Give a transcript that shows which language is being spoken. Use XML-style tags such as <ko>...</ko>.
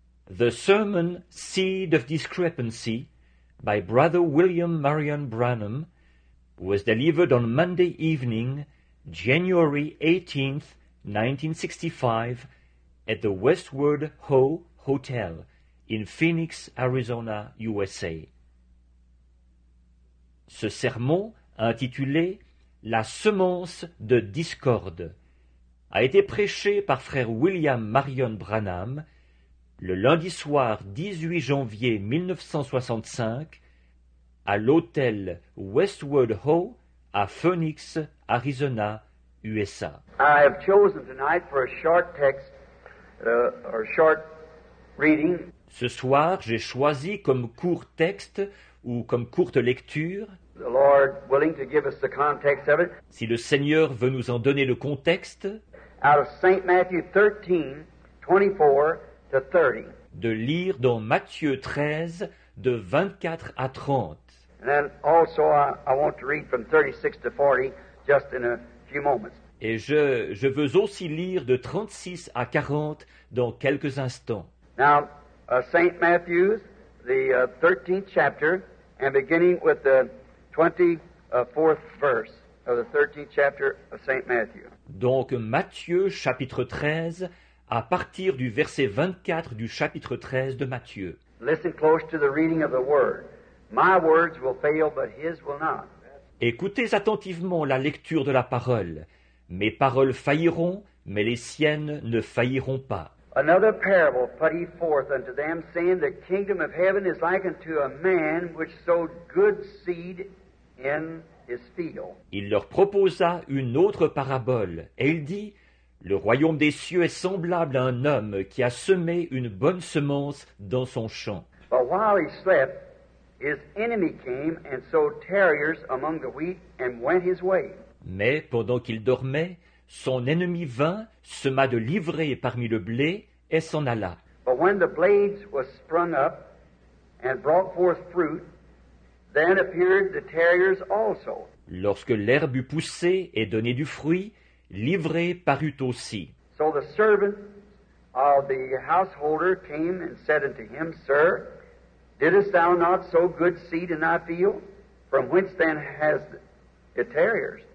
<en>The Sermon Seed of Discrepancy by Brother William Marion Branham was delivered on Monday evening, January 18, 1965, at the Westward Ho Hotel in Phoenix, Arizona, USA.</en> <fr>Ce sermon, intitulé « La semence de discorde », a été prêché par frère William Marion Branham le lundi soir 18 janvier 1965 à l'hôtel Westward Ho à Phoenix, Arizona, USA.</fr> <en>I have chosen tonight for a short text, or short reading.</en> <fr>Ce soir, j'ai choisi comme court texte ou comme courte lecture.</fr> <en>The Lord willing to give us the context of it.</en> <fr>Si le Seigneur veut nous en donner le contexte.</fr> <en>Out of St. Matthew 13, 24 to 30.</en> <fr>De lire dans Matthieu 13, de 24 à 30.</fr> <en>And then also I want to read from 36 to 40, just in a few moments.</en> <fr>Et je veux aussi lire de 36 à 40 dans quelques instants.</fr> <en>Now, St. Matthew, the 13th chapter, and beginning with the 24th verse of the 13th chapter of St. Matthew.</en> <fr>Donc Matthieu chapitre 13, à partir du verset 24 du chapitre 13 de Matthieu.</fr> <en>Listen close to the reading of the word. My words will fail, but his will not.</en> <fr>Écoutez attentivement la lecture de la parole. Mes paroles failliront, mais les siennes ne failliront pas.</fr> <en>Another parable put he forth unto them, saying, The kingdom of heaven is like unto a man which sowed good seed in</en> <fr>Il leur proposa une autre parabole, et il dit, « Le royaume des cieux est semblable à un homme qui a semé une bonne semence dans son champ. »</fr> <en>But while he slept, his enemy came and sowed tares among the wheat and went his way.</en> <fr>Mais pendant qu'il dormait, son ennemi vint, sema de l'ivraie parmi le blé, et s'en alla.</fr> <en>But when the blades was sprung up and brought forth fruit, Then appeared the tares also.</en> <fr>Lorsque l'herbe eut poussé et donné du fruit, l'ivraie parut aussi.</fr> <en>So the servant of the householder came and said unto him, Sir, didst thou not sow good seed in thy field? From whence then has the tares?</en>